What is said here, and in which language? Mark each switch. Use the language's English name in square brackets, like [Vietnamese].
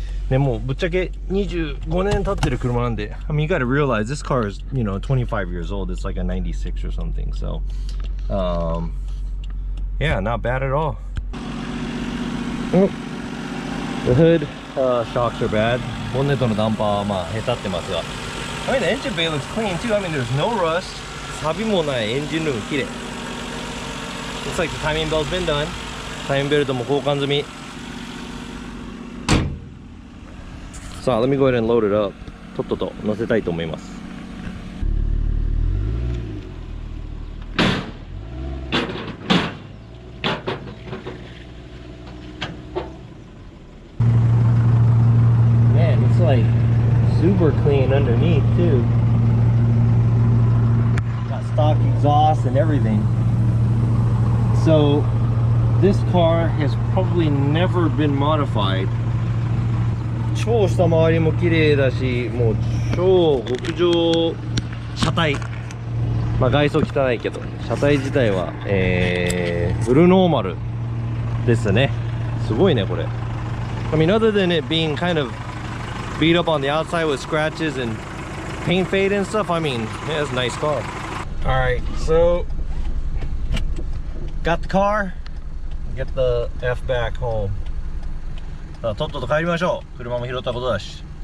[Japanese] ね、もうぶっちゃけ25年経ってる車なんで。 [English] I mean, you gotta realize this car is, you know, 25 years old. It's like a 96 or something. So, yeah, not bad at all. The hood shocks are bad. [Japanese] ボンネットのダンパーはまあ下手ってますが。 [English] I mean, the engine bay looks clean too. I mean, there's no rust. [Japanese] サビもないエンジンルーム綺麗。 [English] Looks like the timing belt's been done. [Japanese] タイミングベルトも交換済み。 [English] さあ、let me go ahead and load it up. [Japanese] とっとと乗せたいと思います。 [English] Man, it's like super clean underneath too. Got stock exhaust and everything. So, this car has probably never been modified. [Japanese] 超下回りも綺麗だし、もう超極上車体、まあ、外装汚いけど車体自体は、フルノーマルですね。すごいねこれ。 [English] I mean, other than it being kind of beat up on the outside with scratches and paint fade and stuff, I mean, yeah, it's a nice car. Alright, so got the car, get the F back home [Japanese] とっとと帰りましょう。車も拾ったことだし。